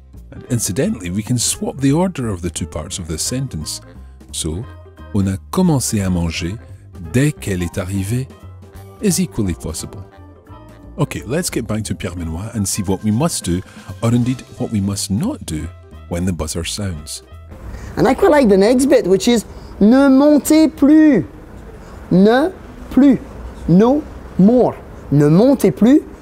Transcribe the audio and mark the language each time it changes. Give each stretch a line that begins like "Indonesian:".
English: And incidentally, we can swap the order of the two parts of the sentence.
French: So, on a commencé à manger dès qu'elle est arrivée
English: is equally possible. Okay, let's get back to Pierre-Benoît and see what we must do, or indeed what we must not do, when the buzzer sounds. And I quite like the next bit, which is ne montez plus.
French: Ne plus.
English: No more.
French: Ne montez plus.